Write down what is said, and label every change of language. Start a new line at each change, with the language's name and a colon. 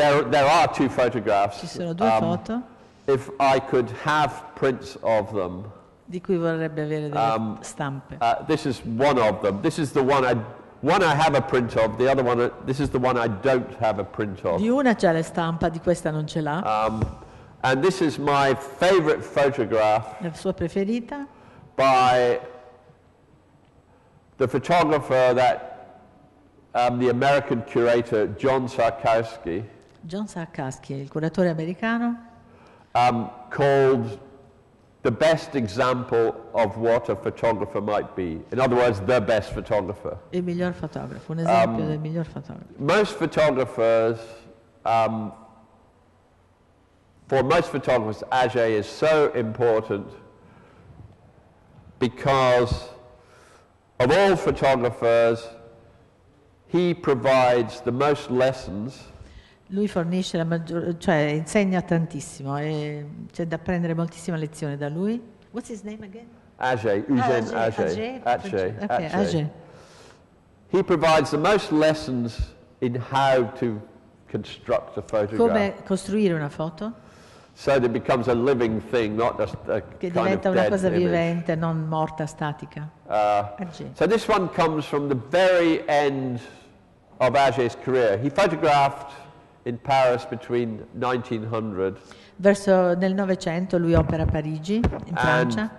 English: There are two photographs.
Italian: Ci sono due foto.
English: If I could have prints of them.
Italian: Di cui vorrebbe avere delle stampe.
English: This is one of them. This is the one I have a print of. The other one, this is the one I don't have a print of.
Italian: Di una c'è la stampa, di questa non ce l'ha.
English: And this is my favorite photograph.
Italian: La sua preferita.
English: By the photographer that the American curator John Sarkowski.
Italian: John Sarkowski, il curatore americano.
English: Called the best example of what a photographer might be. In other words, the best photographer.
Italian: Il miglior fotografo, un esempio del miglior fotografo.
English: Most photographers, for most photographers, Ajay is so important because of all photographers, he provides the most lessons.
Italian: Lui fornisce la maggior, cioè insegna tantissimo, e c'è da prendere moltissima lezione da lui.
English: What's his name again? Ajay. He provides the most lessons in how to construct a photograph.
Italian: Come costruire una foto?
English: So that it becomes a living thing, not just a
Italian: che diventa
English: kind of
Italian: una cosa
English: image.
Italian: Vivente, non morta, statica.
English: So this one comes from the very end of Ajay's career. He photographed in Paris between 1900.
Italian: Verso nel 900 lui opera a Parigi, in Francia.